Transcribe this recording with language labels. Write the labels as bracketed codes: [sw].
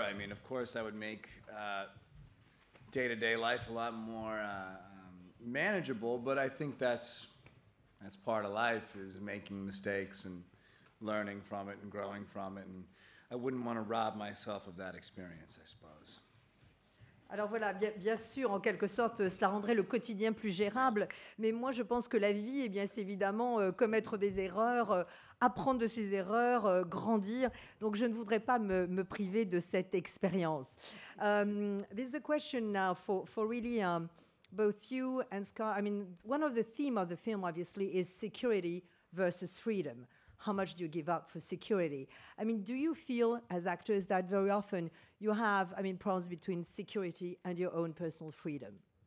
[en] I mean, of course, I would make day-to-day life a lot more manageable. But I think that's part of life, is making mistakes and learning from it and growing from it. And I wouldn't want to rob myself of that experience, I suppose. [fr] Alors voilà, bien sûr, en quelque sorte, cela rendrait le quotidien plus gérable. Mais moi, je pense que la vie, eh bien, c'est évidemment commettre des erreurs, apprendre de ses erreurs, grandir. Donc, je ne voudrais pas me priver de cette expérience. [en] There's a question now for really... both you and Scar, I mean, one of the theme of the film, obviously, is security versus freedom. How much do you give up for security? I mean, do you feel as actors that very often you have, I mean, problems between security and your own personal freedom?